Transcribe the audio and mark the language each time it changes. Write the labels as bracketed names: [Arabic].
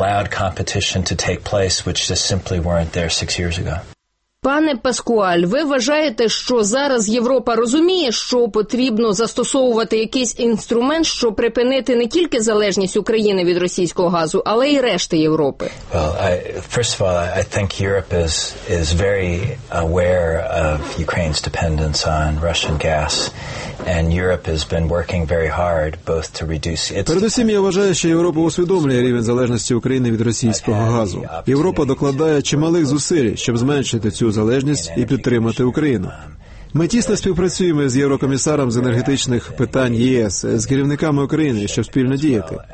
[English] Competition to take place, which just simply weren't there 6 years ago. [Ukrainian] Пане Паскуаль, ви вважаєте, що зараз Європа розуміє, що потрібно застосовувати якийсь інструмент, щоб припинити не тільки залежність України від російського газу, але й решти Європи? [English] Well, first of all, I think Europe is very aware of Ukraine's dependence on Russian gas, and Europe has been working very hard both to reduce its. [Ukrainian] Передусім, я вважаю, що Європа усвідомлює рівень залежності України від російського газу. Європа докладає чималих зусиль, щоб зменшити цю залежність і підтримати Україну. Ми тісно співпрацюємо з єврокомісаром з енергетичних питань ЄС, з керівниками України, щоб спільно діяти.